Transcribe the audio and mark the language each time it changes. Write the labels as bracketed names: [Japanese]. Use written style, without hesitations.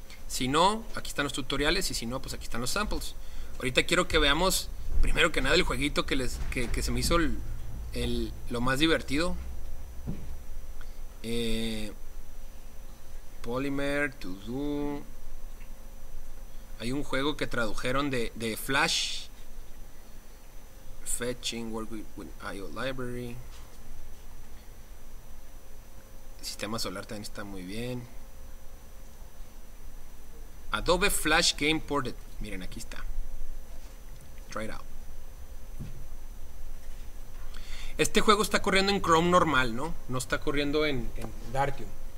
[Spanish] Si no, aquí están los tutoriales, y si no, pues aquí están los samples. Ahorita quiero que veamos primero que nada el jueguito que se me hizo lo más divertido. Polymer, [English] to do. [Spanish] Hay un juego que tradujeron de Flash. [English] Fetching, work with IO library. [Spanish] Sistema solar también está muy bien. [English] Adobe Flash Game Ported. [Spanish] Miren, aquí está. [English] Try it out. [Spanish] Este juego está corriendo en Chrome normal, ¿no? No está corriendo en Dartium.